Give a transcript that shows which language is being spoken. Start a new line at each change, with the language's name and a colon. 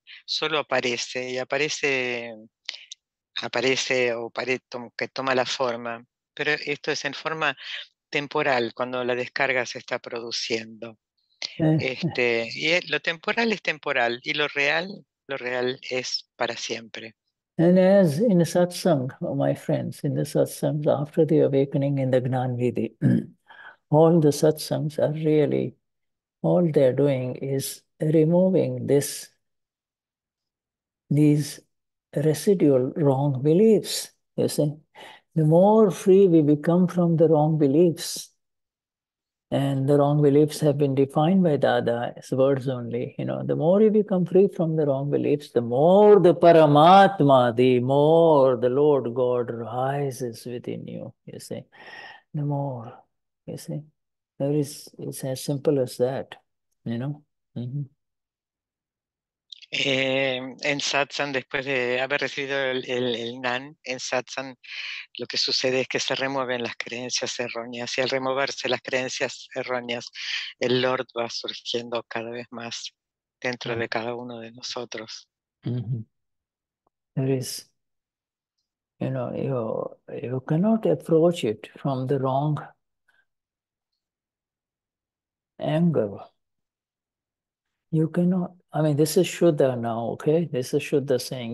Spanish: Solo aparece y aparece o que toma la forma, pero esto es en forma temporal, cuando la descarga se está produciendo. Y lo temporal es temporal, y lo real es para siempre.
English: And as in the satsang, my friends, in the satsangs, after the awakening in the Gnanvidhi, all the satsangs are really, all they're doing is removing these residual wrong beliefs, you see. The more free we become from the wrong beliefs, and the wrong beliefs have been defined by Dada as words only, you know, the more you become free from the wrong beliefs, the more the Paramatma, the more the Lord God rises within you, you see. The more, you see. It's as simple as that, you know. Mm-hmm.
Spanish: En Satsang, después de haber recibido el Nan, en Satsang lo que sucede es que se remueven las creencias erróneas, y al removerse las creencias erróneas, el Lord va surgiendo cada vez más dentro de cada uno de nosotros. Mm-hmm.
English: There is, you know, you cannot approach it from the wrong angle. You cannot, I mean, this is Shuddha now, okay? This is Shuddha saying.